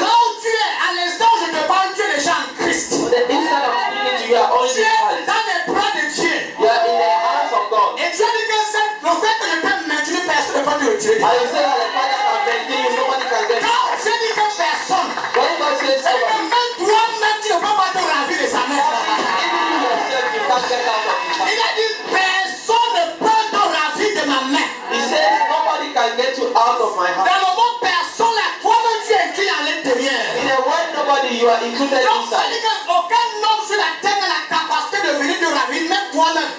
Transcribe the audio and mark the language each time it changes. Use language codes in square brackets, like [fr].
[fr] Là où tu es, à l'instant je te parle, tu es déjà en Christ. [en] The instant of speaking, you are only Christ. [fr] Dans les bras de Dieu. [en] You are in the hands of God. [fr] Et Dieu dit que le fait que je t'aime maintenant, personne ne peut te retirer. [en] And you say that the Father has maintained you, nobody can get you. [fr] Quand Dieu dit que personne. [en] When God says someone. [fr] Même toi-même, tu ne peux pas te ravir de sa mère. Il a dit personne ne peut te ravir de ma main. [en] He says nobody can get you out of my hand. [fr] Dans le mot personne, la toi-même tu es inclus à l'intérieur. [en] In the word nobody, you are included inside. [fr] Aucun homme sur la terre n'a la capacité de venir te ravir, même toi-même.